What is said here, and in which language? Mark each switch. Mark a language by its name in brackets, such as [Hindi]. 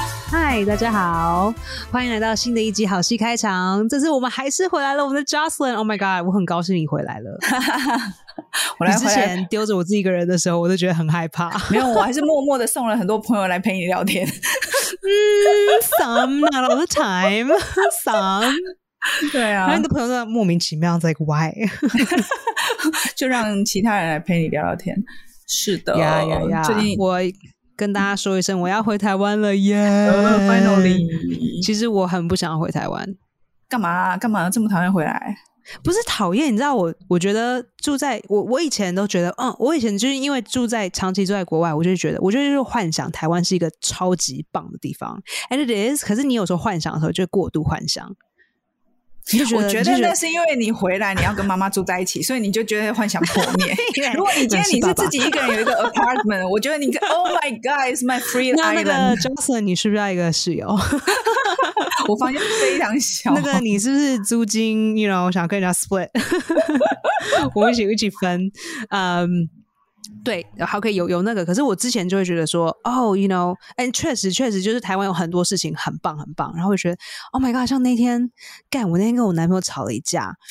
[Chinese] 嗨，大家好，欢迎来到新的一集好戏开场。这次我们还是回来了，我们的 Jocelyn。 [English] Oh my god， [Chinese] 我很高兴你回来了。我来之前丢着我自己一个人的时候，我都觉得很害怕。没有，我还是默默的送了很多朋友来陪你聊天。 [English] Some not all the time, some. [Chinese] 对啊，然后你的朋友都莫名其妙在 why，就让其他人来陪你聊聊天。是的，呀呀呀！最近我跟大家说一声，我要回台湾了耶、 [English] ！Finally， [Chinese] 其实我很不想回台湾。干嘛、啊？干嘛、啊、这么讨厌回来？不是讨厌，你知道我觉得住在我以前都觉得，嗯，我以前就是因为住在长期住在国外，我就觉得就幻想台湾是一个超级棒的地方 ， [English] and it is。 [Chinese] 可是你有时候幻想的时候就过度幻想。我觉得那是因为你回来你要跟妈妈住在一起，所以你就觉得幻想破灭。如果你今天你是自己一个人有一个 apartment， 我觉得你 [English] Oh my god, it's my free island。 [Chinese] 那个 Jocelyn 你是不是要一个室友？我房间非常小。那个你是不是租金 [English] you know [Chinese] 我想跟人家 split？ 我们一起分。对，好，可以有那个，可是我之前就会觉得说，哦、oh, ， [English] you know， [Chinese] 哎，确实就是台湾有很多事情很棒很棒，然后会觉得 ， [English] Oh my god， [Chinese] 像那天，干，我那天跟我男朋友吵了一架，